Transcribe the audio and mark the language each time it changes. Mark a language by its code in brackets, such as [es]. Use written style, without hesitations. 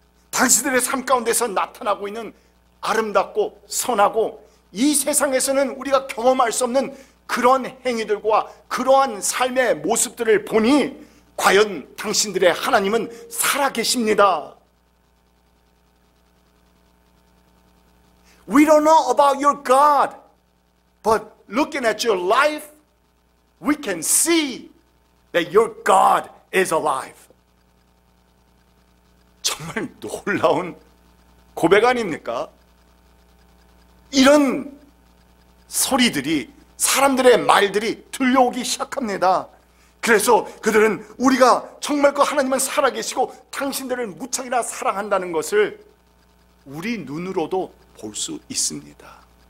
[ko] 당신들의 삶 가운데서 나타나고 있는 아름답고 선하고 이 세상에서는 우리가 경험할 수 없는 그런 행위들과 그러한 삶의 모습들을 보니 과연 당신들의 하나님은 살아계십니다. [en] We don't know about your God, but looking at your life, we can see that your God is alive. [ko] 정말 놀라운 고백 아닙니까? 이런 소리들이, 사람들의 말들이 들려오기 시작합니다. 그래서 그들은 우리가 정말 그 하나님은 살아계시고 당신들을 무척이나 사랑한다는 것을 우리 눈으로도 볼 수 있습니다.